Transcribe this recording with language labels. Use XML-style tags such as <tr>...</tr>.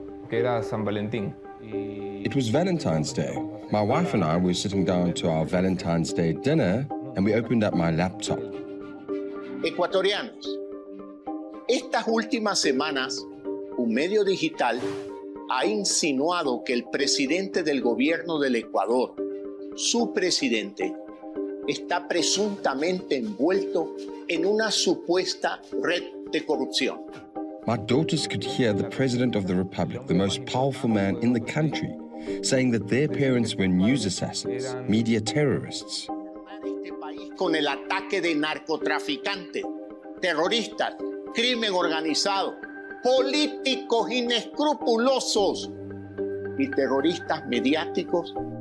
<es>Era San Valentín.</es> <en>It was Valentine's Day. My wife and I were sitting down to our Valentine's Day dinner and we opened up my laptop.</en> <es>Ecuatorianos, estas últimas semanas, un medio digital ha insinuado que el presidente del gobierno del Ecuador, su presidente, está presuntamente envuelto en una supuesta red de corrupción.</es> <en>My daughters could hear the president of the republic, the most powerful man in the country, saying that their parents were news assassins, media terrorists.</en> <es>Con el ataque de narcotraficantes, terroristas, crimen organizado, políticos inescrupulosos y terroristas mediáticos.</es>